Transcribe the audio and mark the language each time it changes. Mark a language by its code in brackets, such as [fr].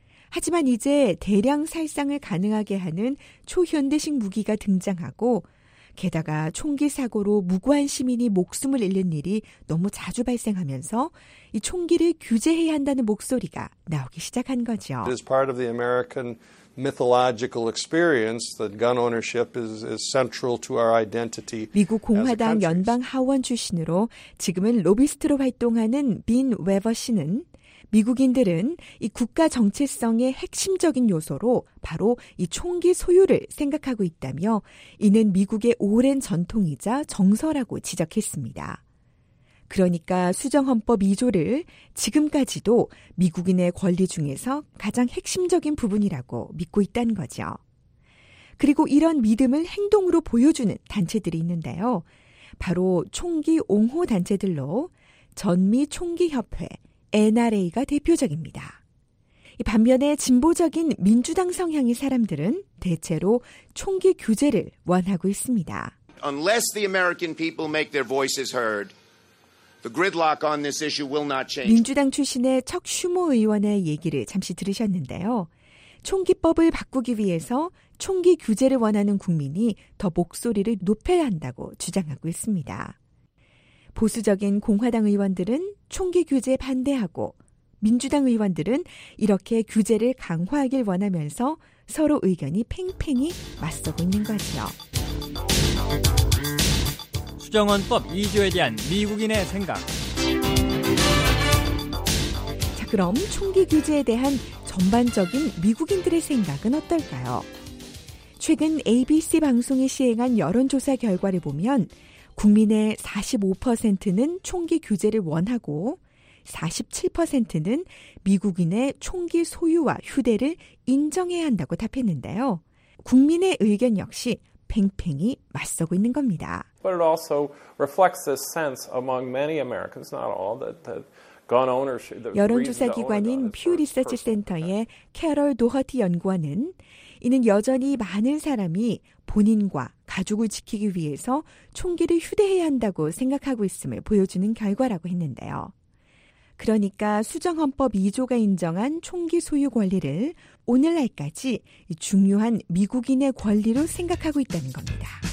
[ko] 하지만 이제 대량 살상을 가능하게 하는 초현대식 무기가 등장하고 게다가 총기 사고로 무고한 시민이 목숨을 잃는 일이 너무 자주 발생하면서 이 총기를 규제해야 한다는 목소리가 나오기 시작한 거죠. [en] It is part of the American mythological experience that gun ownership is central to our identity. [ko] 미국 공화당 연방 하원 출신으로 지금은 로비스트로 활동하는 빈 웨버 씨는 미국인들은 이 국가 정체성의 핵심적인 요소로 바로 이 총기 소유를 생각하고 있다며 이는 미국의 오랜 전통이자 정서라고 지적했습니다. 그러니까 수정헌법 2조를 지금까지도 미국인의 권리 중에서 가장 핵심적인 부분이라고 믿고 있다는 거죠. 그리고 이런 믿음을 행동으로 보여주는 단체들이 있는데요. 바로 총기 옹호 단체들로 전미총기협회, NRA가 대표적입니다. 반면에 진보적인 민주당 성향의 사람들은 대체로 총기 규제를 원하고 있습니다. [en] Unless the American people make their voices heard, the gridlock on this issue will not change. [ko] 민주당 출신의 척 슈모 의원의 얘기를 잠시 들으셨는데요. 총기법을 바꾸기 위해서 총기 규제를 원하는 국민이 더 목소리를 높여야 한다고 주장하고 있습니다. 보수적인 공화당 의원들은 총기 규제에 반대하고 민주당 의원들은 이렇게 규제를 강화하길 원하면서 서로 의견이 팽팽히 맞서고 있는 거죠. 수정헌법 2조에 대한 미국인의 생각. 자, 그럼 총기 규제에 대한 전반적인 미국인들의 생각은 어떨까요? 최근 ABC 방송이 시행한 여론조사 결과를 보면 국민의 45%는 총기 규제를 원하고 47%는 미국인의 총기 소유와 휴대를 인정해야 한다고 답했는데요. 국민의 의견 역시 팽팽히 맞서고 있는 겁니다. [en] But it also reflects this sense among many Americans, not all, that gun ownership. [ko] 여론조사 기관인 퓨 리서치 센터의 캐럴 도허티 연구원은 이는 여전히 많은 사람이 본인과 가족을 지키기 위해서 총기를 휴대해야 한다고 생각하고 있음을 보여주는 결과라고 했는데요. 그러니까 수정헌법 2조가 인정한 총기 소유 권리를 오늘날까지 중요한 미국인의 권리로 생각하고 있다는 겁니다.